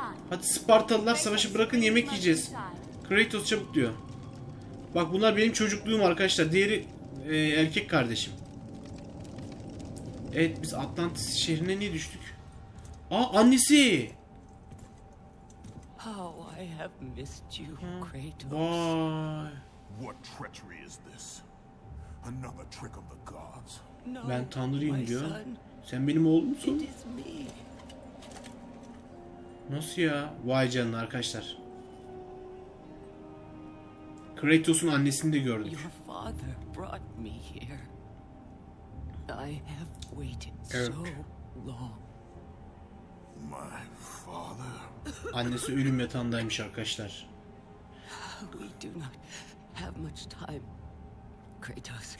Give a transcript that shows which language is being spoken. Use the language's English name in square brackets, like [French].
[Turkish] Hadi Spartalılar, savaşı bırakın, yemek yiyeceğiz. Kratos çabuk diyor. Bak, bunlar benim çocukluğum arkadaşlar. Diğeri erkek kardeşim. Evet, biz Atlantis şehrine niye düştük? Aa, annesi. [English] How I have missed you, Kratos. Vay. What treachery is this? Another trick of the gods. [Turkish] Ben tanrıyım diyor. Sen benim oğlum musun? Nasıl ya? Vay canına arkadaşlar. Kratos'un annesini de gördük. [English] Your father brought me here. I have waited so long. My father. [Turkish] Annesi ölüm yatağındaymış arkadaşlar. [English] We do not have much time, Kratos.